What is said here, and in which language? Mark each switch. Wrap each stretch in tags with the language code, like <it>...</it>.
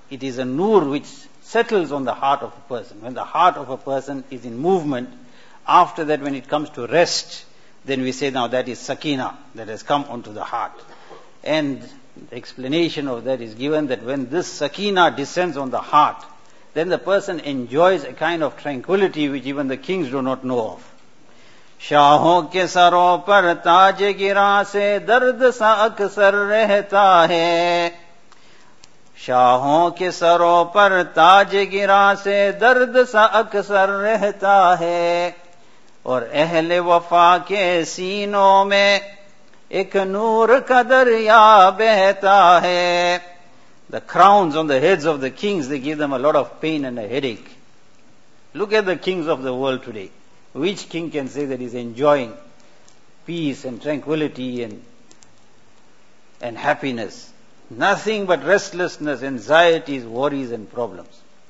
<en>It is a noor which settles on the heart of a person. When the heart of a person is in movement, after that when it comes to rest, then we say now that is sakina that has come onto the heart. And the explanation of that is given, that when this sakina descends on the heart, then the person enjoys a kind of tranquility which even the kings do not know of.</en> <ur>شاہوں کے سروں پر تاج گرا سے درد سا اکثر رہتا ہے, شاہوں کے سروں پر تاج گرا سے درد سا اکثر رہتا ہے, اور اہل وفا کے سینوں میں ایک نور کا دریا بہتا ہے.</ur> <en>The crowns on the heads of the kings, they give them a lot of pain and a headache. Look at the kings of the world today. Which king can say that he is enjoying peace and tranquility and happiness? Nothing but restlessness, anxieties, worries and problems.</en>